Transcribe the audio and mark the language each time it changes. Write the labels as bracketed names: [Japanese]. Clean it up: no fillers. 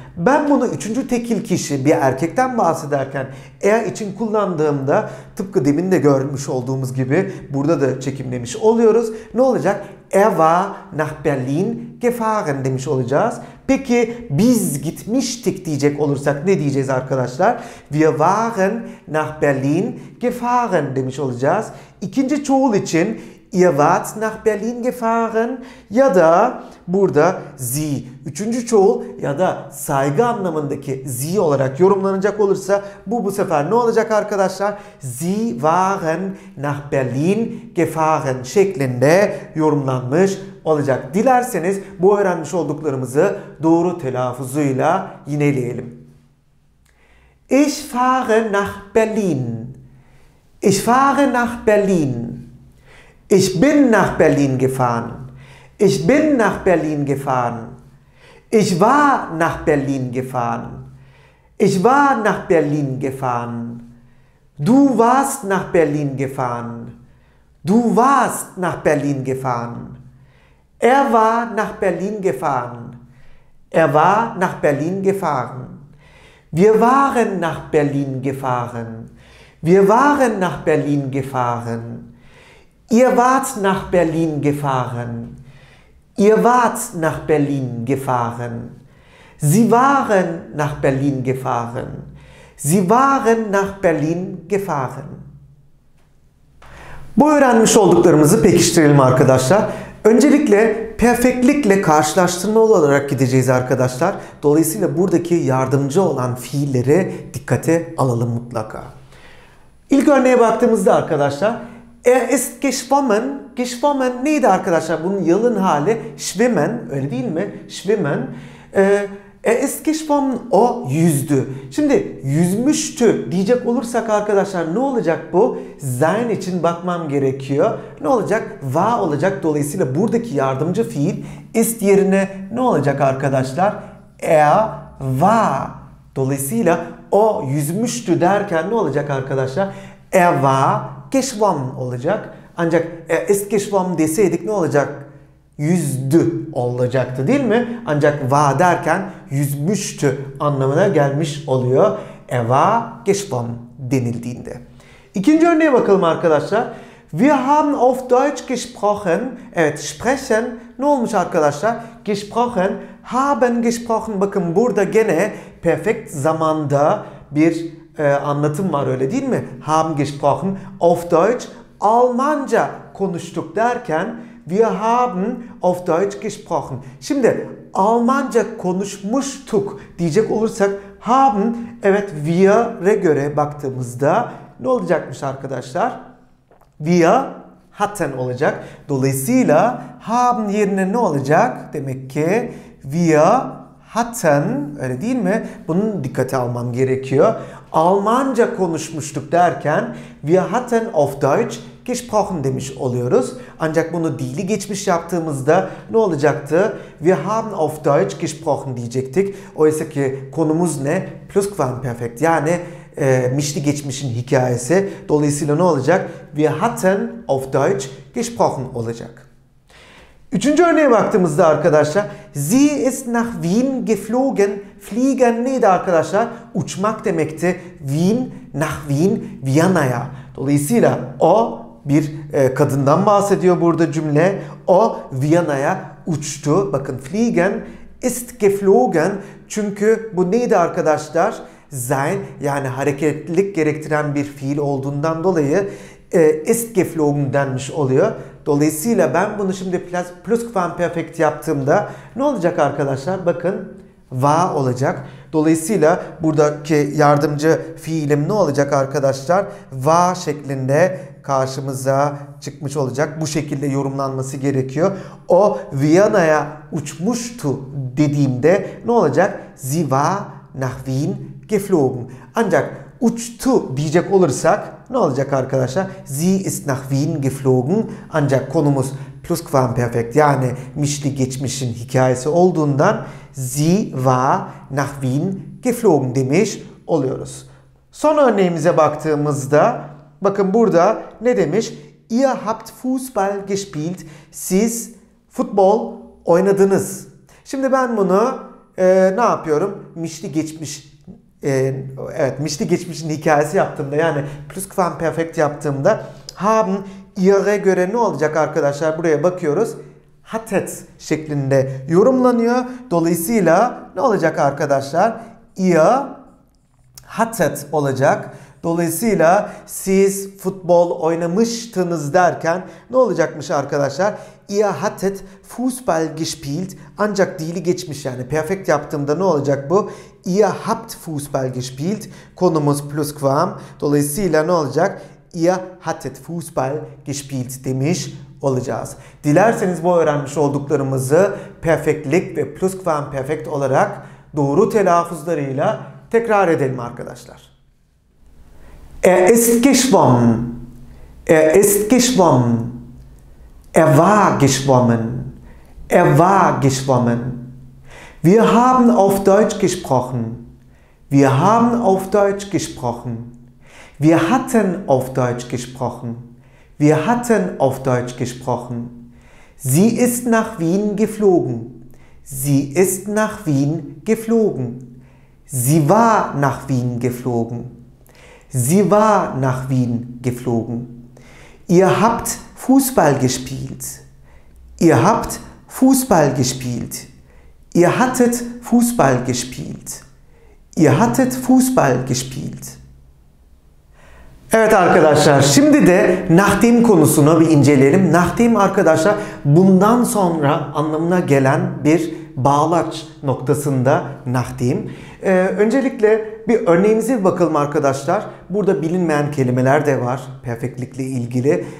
[Turkish] Ben bunu üçüncü tekil kişi, bir erkekten bahsederken er için kullandığımda tıpkı demin de görmüş olduğumuz gibi burada da çekimlemiş oluyoruz. Ne olacak? [German] Er war nach Berlin gefahren [Turkish] demiş olacağız. Peki biz gitmiştik diyecek olursak ne diyeceğiz arkadaşlar? [German] Wir waren nach Berlin gefahren [Turkish] demiş olacağız. İkinci çoğul için [German] ihr wart nach Berlin gefahren [Turkish] ya da burada sie üçüncü çoğul ya da saygı anlamındaki sie olarak yorumlanacak olursa bu sefer ne olacak arkadaşlar? [German] Sie waren nach Berlin gefahren [Turkish] şeklinde yorumlanmış olacak. Dilerseniz bu öğrenmiş olduklarımızı doğru telaffuzuyla yineleyelim. [German] Ich fahre nach Berlin. Ich fahre nach Berlin. Ich bin nach Berlin gefahren. Ich bin nach Berlin gefahren. Ich war nach Berlin gefahren. Ich war nach Berlin gefahren. Du warst nach Berlin gefahren. Du warst nach Berlin gefahren. Er war nach Berlin gefahren. Er war nach Berlin gefahren. Wir waren nach Berlin gefahren. Wir waren nach Berlin gefahren. Ihr wart nach Berlin gefahren. Ihr wart nach Berlin gefahren. Sie waren nach Berlin gefahren. Sie waren nach Berlin gefahren. [Turkish] Bu öğrenmiş olduklarımızı pekiştirelim arkadaşlar. Öncelikle perfectlikle karşılaştırma olarak gideceğiz arkadaşlar. Dolayısıyla buradaki yardımcı olan fiilleri dikkate alalım mutlaka. İlk örneğe baktığımızda arkadaşlar, [German] er ist geschwommen. [Turkish] Geschwommen neydi arkadaşlar? Bunun yalın hali schwimmen, öyle değil mi? [German] Schwimmen. Er ist geschwommen, [Turkish] o yüzdü. Şimdi yüzmüştü diyecek olursak arkadaşlar ne olacak bu? Sein için bakmam gerekiyor. Ne olacak? War olacak. Dolayısıyla buradaki yardımcı fiil ist yerine ne olacak arkadaşlar? [German] Er war. [Turkish] Dolayısıyla o yüzmüştü derken ne olacak arkadaşlar? [German] Er war geschwommen [Turkish] olacak. Ancak [German] er ist geschwommen [Turkish] deseydik ne olacak? Yüzdü olacaktı değil mi? Ancak va derken yüzmüştü anlamına gelmiş oluyor. Eva geschwommen denildiğinde. İkinci örneğe bakalım arkadaşlar. [German] Wir haben auf Deutsch gesprochen. [Turkish] Evet, sprechen. Ne olmuş arkadaşlar? Gesprochen. [German] Haben gesprochen. [Turkish] Bakın burada gene perfekt zamanda bir anlatım var, öyle değil mi? [German] Haben gesprochen. Auf Deutsch. [Turkish] Almanca konuştuk derken [German] wir haben auf Deutsch gesprochen. [Turkish] Şimdi Almanca konuşmuştuk diyecek olursak haben, evet, wir'e göre baktığımızda ne olacakmış arkadaşlar? [German] Wir hatten [Turkish] olacak. Dolayısıyla haben yerine ne olacak? Demek ki [German] wir hatten, [Turkish] öyle değil mi? Bunu dikkate almam gerekiyor. Almanca konuşmuştuk derken [German] wir hatten auf Deutsch gesprochen [Turkish] demiş oluyoruz. Ancak bunu dili geçmiş yaptığımızda ne olacaktı? [German] Wir haben auf Deutsch gesprochen [Turkish] diyecektik. Oysa ki konumuz ne? Plusquamperfekt. Yani mişli geçmişin hikayesi. Dolayısıyla ne olacak? [German] Wir hatten auf Deutsch gesprochen [Turkish] olacak. Üçüncü örneğe baktığımızda arkadaşlar, [German] sie ist nach Wien geflogen. [Turkish] Fliegen neydi arkadaşlar? Uçmak demekti. [German] Wien, nach Wien, Viyana'ya. [Turkish] Dolayısıyla o bir kadından bahsediyor burada cümle. O Viyana'ya uçtu. Bakın [German] fliegen ist geflogen. [Turkish] Çünkü bu neydi arkadaşlar? Sein, yani hareketlilik gerektiren bir fiil olduğundan dolayı [German] ist geflogen [Turkish] denmiş oluyor. Dolayısıyla ben bunu şimdi plusquamperfekt yaptığımda ne olacak arkadaşlar? Bakın war olacak. Dolayısıyla buradaki yardımcı fiilim ne olacak arkadaşlar? War şeklinde karşımıza çıkmış olacak. Bu şekilde yorumlanması gerekiyor. O Viyana'ya uçmuştu dediğimde ne olacak? [German] Sie war nach Wien geflogen. [Turkish] Ancak uçtu diyecek olursak ne olacak arkadaşlar? [German] Sie ist nach Wien geflogen. [Turkish] Ancak konumuz plusquamperfekt, yani mişli geçmişin hikayesi olduğundan [German] sie war nach Wien geflogen [Turkish] demiş oluyoruz. Son örneğimize baktığımızda bakın burada ne demiş? [German] Ihr habt Fußball gespielt. [Turkish] Siz futbol oynadınız. Şimdi ben bunu ne yapıyorum? Mişli geçmiş, evet, mişli geçmişin hikayesi yaptığımda, yani plusquamperfekt yaptığımda haben ihr'e göre ne olacak arkadaşlar? Buraya bakıyoruz. Hatet şeklinde yorumlanıyor. Dolayısıyla ne olacak arkadaşlar? [German] Ihr hatet [Turkish] olacak. Dolayısıyla siz futbol oynamıştınız derken ne olacakmış arkadaşlar? [German] Ihr hattet Fußball gespielt. [Turkish] Ancak dili geçmiş, yani perfect yaptığımda ne olacak bu? [German] Ihr habt Fußball gespielt. [Turkish] Konumuz plusquam. Dolayısıyla ne olacak? [German] Ihr hattet Fußball gespielt [Turkish] demiş olacağız. Dilerseniz bu öğrenmiş olduklarımızı perfectlik ve plusquamperfect olarak doğru telaffuzlarıyla tekrar edelim arkadaşlar. [German] Er ist geschwommen. Er ist geschwommen. Er war geschwommen. Er war geschwommen. Wir haben auf Deutsch gesprochen. Wir haben auf Deutsch gesprochen. Wir hatten auf Deutsch gesprochen. Wir hatten auf Deutsch gesprochen. Sie ist nach Wien geflogen. Sie ist nach Wien geflogen. Sie war nach Wien geflogen. Sie war nach Wien geflogen. Ihr habt Fußball gespielt. Ihr habt Fußball gespielt. Ihr hattet Fußball gespielt. Ihr hattet Fußball gespielt. [Turkish] Evet arkadaşlar, şimdi de nahdim konusunu bir inceleyelim. Nahdim arkadaşlar bundan sonra anlamına gelen bir bağlaç noktasında nahdim. Öncelikle bir örneğimize bir bakalım arkadaşlar. Burada bilinmeyen kelimeler de var perfektlikle ilgili.